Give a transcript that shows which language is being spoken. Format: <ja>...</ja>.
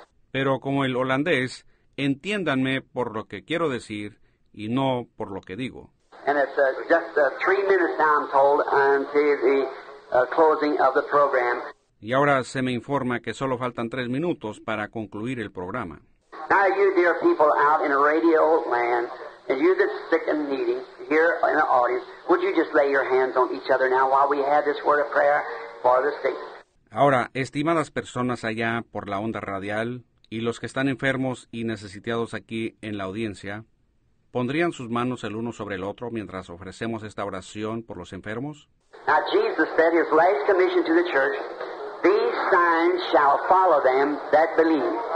<es>Pero como el holandés, entiéndanme por lo que quiero decir y no por lo que digo.</es> <en>And it's just 3 minutes now, I'm told, until the closing of the program.</en> <es>Y ahora se me informa que solo faltan 3 minutos para concluir el programa.</es> <en>Now you dear people out in a radio land, and you that's sick and needing here in the audience, would you just lay your hands on each other now while we have this word of prayer for the sick?</en> <es>Ahora, estimadas personas allá por la onda radial y los que están enfermos y necesitados aquí en la audiencia, ¿pondrían sus manos el uno sobre el otro mientras ofrecemos esta oración por los enfermos?</es> <en>Now Jesus said his last commission to the church, these signs shall follow them that believe.</en>